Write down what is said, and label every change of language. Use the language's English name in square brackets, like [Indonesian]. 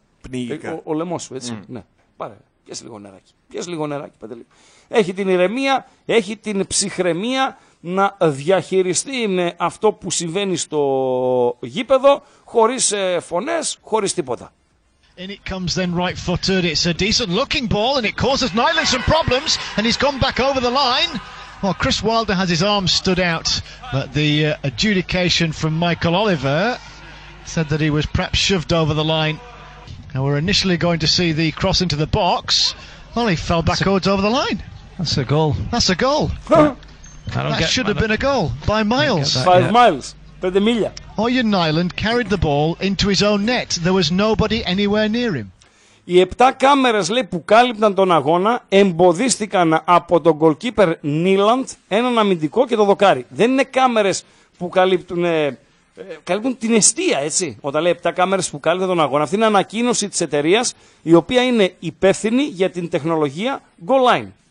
[Greek] Πνίγηκα. Ο λαιμός σου, έτσι. Ναι, πάρε, πιες λίγο νεράκι. Πιες λίγο νεράκι, Παντελή. Έχει την ηρεμία, έχει την ψυχραιμία να διαχειριστεί με αυτό που συμβαίνει στο γήπεδο χωρίς φωνές, χωρίς τίποτα. [English] And it comes then right footed. It's a decent looking ball and it causes Nyland some problems and he's gone back over the line. Well, Chris Wilder has his arm stood out, but the adjudication from Michael Oliver said that he was perhaps shoved over the line. Now we're initially going to see the cross into the box. Well, he fell backwards over the line. That's a goal. That's a goal. That should have been a goal by miles. Five miles. By the milia. Ojan Nyland carried the ball into his own net. There was nobody anywhere near him. [Greek] Οι 7 κάμερες λέει που κάλυπταν τον αγώνα εμποδίστηκαν από τον goalkeeper Nyland, έναν αμυντικό και το δοκάρι. Δεν είναι κάμερες που καλύπτουν, καλύπτουν την εστία, έτσι. Όταν λέει 7 κάμερες που κάλυπταν τον αγώνα. Αυτή είναι ανακοίνωση της εταιρείας η οποία είναι υπεύθυνη για την τεχνολογία goal line.